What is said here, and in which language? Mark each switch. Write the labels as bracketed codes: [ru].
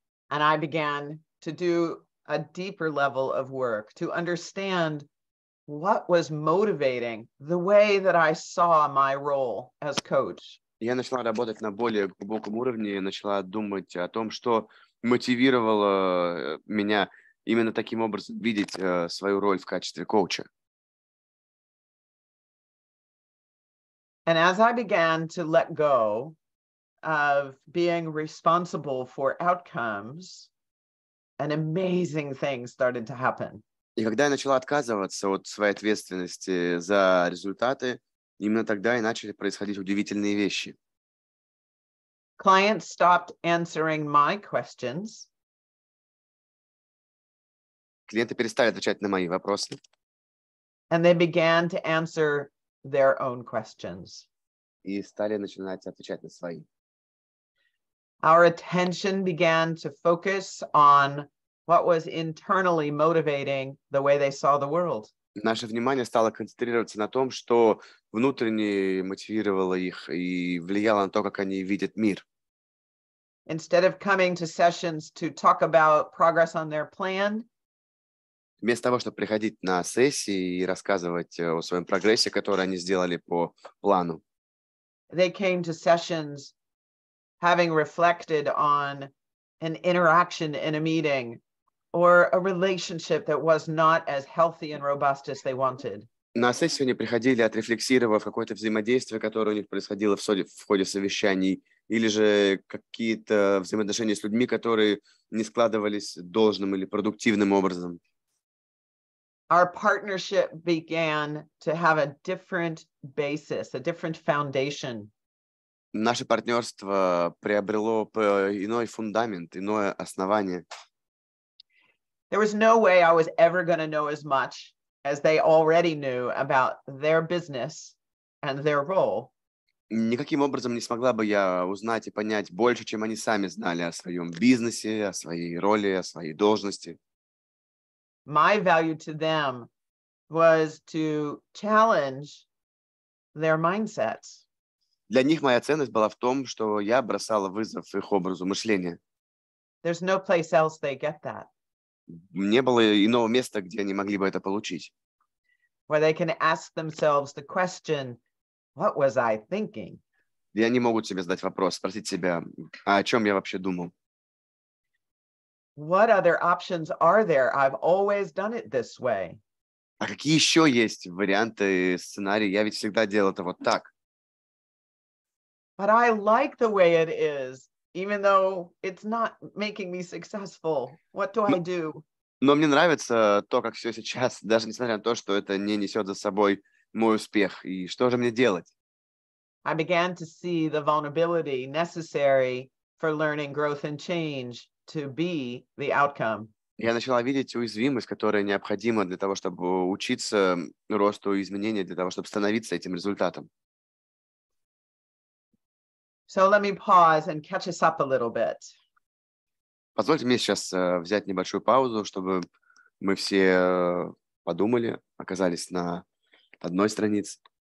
[en] And I began to do a deeper level of work to understand what was motivating the way that I saw my role as coach? [ru] Я начала работать на более глубоком уровне, начала думать о том, что мотивировало меня именно таким образом видеть свою роль в качестве коуча. [en] And as I began to let go of being responsible for outcomes, an amazing thing started to happen. [ru] И когда я начала отказываться от своей ответственности за результаты, именно тогда и начали происходить удивительные вещи. [en] Clients stopped answering my questions. [ru] Клиенты перестали отвечать на мои вопросы. [en] And they began to answer their own questions. [ru] И стали начинать отвечать на свои. [en] Our attention began to focus on what was internally motivating the way they saw the world. [ru] Наше внимание стало концентрироваться на том, что внутренне мотивировало их и влияло на то, как они видят мир. [en] Instead of coming to sessions to talk about progress on their plan, [ru] вместо того, чтобы приходить на сессии и рассказывать о своем прогрессе, который они сделали по плану, [en] they came to sessions having reflected on an interaction in a meeting or a relationship that was not as healthy and robust as they wanted. [ru] На сессию они приходили, отрефлексировав какое-то взаимодействие, которое у них происходило в ходе совещаний, или же какие-то взаимоотношения с людьми, которые не складывались должным или продуктивным образом. [en] Our partnership began to have a different basis, a different foundation. [ru] Наше партнерство приобрело иной фундамент, иное основание. [en] There was no way I was ever going to know as much as they already knew about their business and their role. [ru] Никаким образом не смогла бы я узнать и понять больше, чем они сами знали о своем бизнесе, о своей роли, о своей должности. [en] My value to them was to challenge their mindsets. [ru] Для них моя ценность была в том, что я бросала вызов их образу мышления. [en] There's no place else they get that. [ru] Не было иного места, где они могли бы это получить. [en] Where they can ask themselves the question, what was I thinking? [ru] И они могут себе задать вопрос, спросить себя, а о чем я вообще думал? [en] What other options are there? I've always done it this way. [ru] А какие еще есть варианты, сценарии? Я ведь всегда делал это вот так. [en] But I like the way it is. Even though it's not making me successful, what do I do? [ru] Но мне нравится то, как все сейчас, даже несмотря на то, что это не несет за собой мой успех. И что же мне делать? [en] I began to see the vulnerability necessary for learning growth and change to be the outcome. [ru] Я начала видеть уязвимость, которая необходима для того, чтобы учиться росту и изменения, для того, чтобы становиться этим результатом. [en] So let me pause and catch us up a little bit. [ru] Позвольте мне сейчас взять небольшую паузу, чтобы мы все подумали, оказались на одной странице.